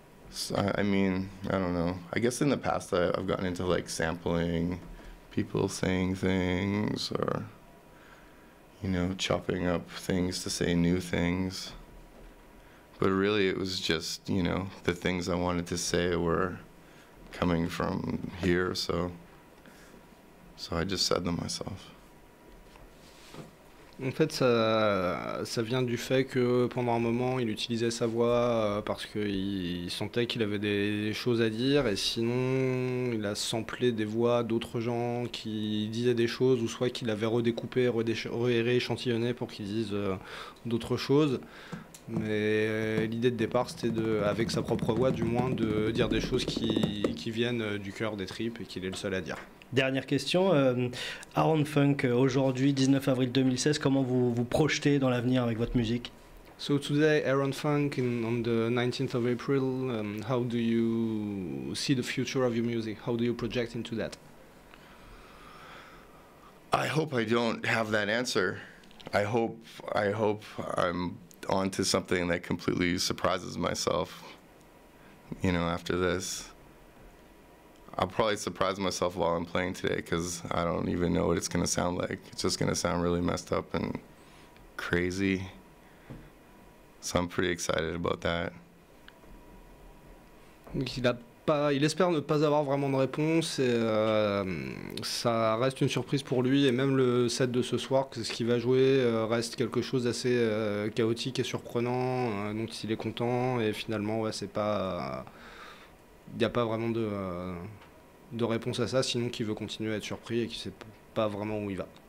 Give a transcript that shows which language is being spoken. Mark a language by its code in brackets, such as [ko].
[en] So, I mean, I don't know, I guess in the past I've gotten into like sampling people saying things or, you know, chopping up things to say new things. But really, it was just, you know, the things I wanted to say were coming from here, so I just said them myself. [fr] En fait, ça vient du fait que pendant un moment, il utilisait sa voix parce qu'il sentait qu'il avait des choses à dire, et sinon, il a samplé des voix d'autres gens qui disaient des choses, ou soit qu'il avait redécoupé, rééchantillonné pour qu'ils disent d'autres choses. Mais l'idée de départ, c'était de, avec sa propre voix, du moins, de dire des choses qui viennent du cœur, des tripes, et qu'il est le seul à dire. Dernière question. Aaron Funk, aujourd'hui, 19 avril 2016, comment vous vous projetez dans l'avenir avec votre musique? [en] So today, Aaron Funk, on the 19th of April, how do you see the future of your music? How do you project into that? I hope I don't have that answer. I hope I'm onto something that completely surprises myself, you know, after this. I'll probably surprise myself while I'm playing today because I don't even know what it's going to sound like. It's just going to sound really messed up and crazy. So I'm pretty excited about that. [fr] Il espère ne pas avoir vraiment de réponse et ça reste une surprise pour lui. Et même le set de ce soir, ce qu'il va jouer, reste quelque chose d'assez chaotique et surprenant. Donc il est content et finalement, ouais, c'est pas. Il n'y a pas vraiment de réponse à ça, sinon qu'il veut continuer à être surpris et qu'il ne sait pas vraiment où il va.